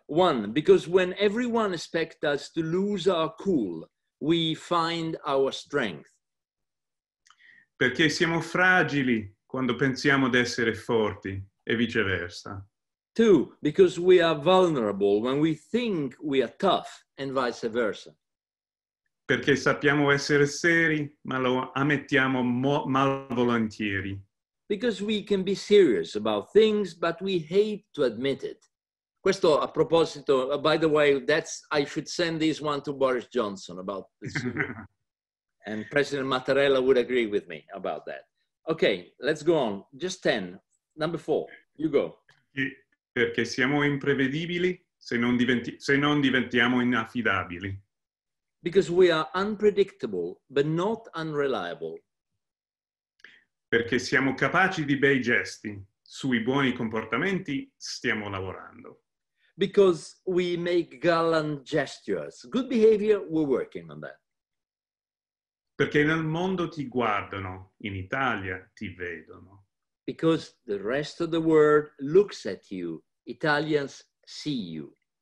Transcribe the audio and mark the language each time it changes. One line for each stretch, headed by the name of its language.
English: One, because when everyone expects us to lose our cool, we find our strength.
Italian: Perché siamo fragili quando pensiamo d'essere forti, e viceversa.
English: Two, because we are vulnerable when we think we are tough, and vice versa.
Italian: Perché sappiamo essere seri, ma lo ammettiamo malvolentieri.
English: Because we can be serious about things, but we hate to admit it.
Italian: Questo a proposito,
English: by the way, I should send this one to Boris Johnson about this. And President Mattarella would agree with me about that. Okay, let's go on. Just 10. Number 4. You go.
Italian: Perché siamo imprevedibili se non diventiamo inaffidabili.
English: Because we are unpredictable, but not unreliable.
Italian: Perché siamo capaci di bei gesti. Sui buoni comportamenti stiamo lavorando.
English: Because we make gallant gestures. Good behavior, we're working on that.
Italian: Perché nel mondo ti guardano, in Italia ti vedono.
English: Because the rest of the world looks at you, Italians see you.